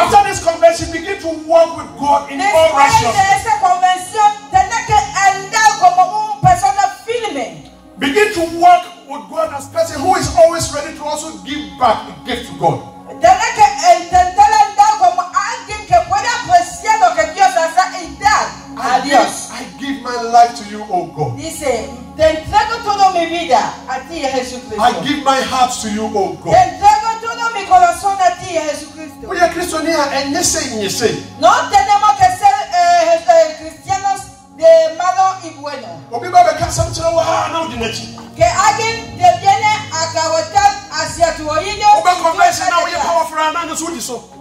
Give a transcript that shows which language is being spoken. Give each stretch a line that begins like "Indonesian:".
English: After this convention, begin to walk with God in all righteousness.
Spanish: Después de esta convención, tendrás que andar como una persona firme.
English: Begin to walk with God as a person who is always ready to also give back a gift to God.
Spanish: Tendrás que intentar andar como alguien que pueda apreciar lo que Dios hace y dar a Dios.
English: I give my life to you, O God.
Spanish: Dice. Te entrego toda mi vida a ti, Jesucristo.
English: I give my heart to you, O God.
Spanish: Te entrego todo mi corazón a ti, Jesucristo. Oye, cristianía, en ese, en ese. No tenemos que ser cristianos de malo y bueno. O mi bebé, que son chelo, ah, no, dinero. Que alguien te viene a cabotar hacia tu oído. O bebé, convence, no, oye, como fuera, no, no, suyo, eso.